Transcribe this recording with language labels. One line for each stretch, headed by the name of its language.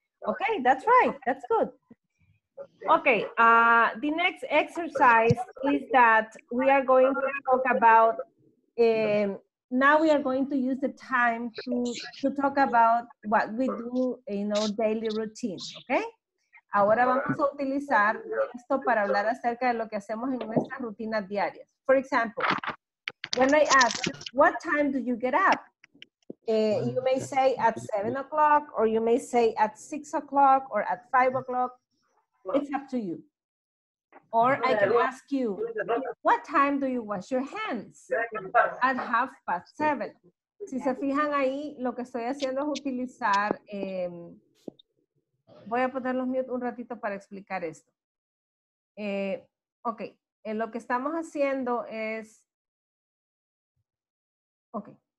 English: Okay, that's right, that's good. Okay, the next exercise is that we are going to talk about now we are going to use the time to talk about what we do in our daily routine, okay?
Spanish: Ahora vamos a utilizar esto para hablar acerca de lo que hacemos en nuestras rutinas diarias.
English: For example, when I ask, what time do you get up? You may say at 7:00, or you may say at 6:00, or at 5:00. It's up to you. Or I can ask you, what time do you wash your hands? At 7:30.
Spanish: Si se fijan ahí, lo que estoy haciendo es utilizar, voy a poner los mute un ratito para explicar esto. Ok, lo que estamos haciendo es, ok.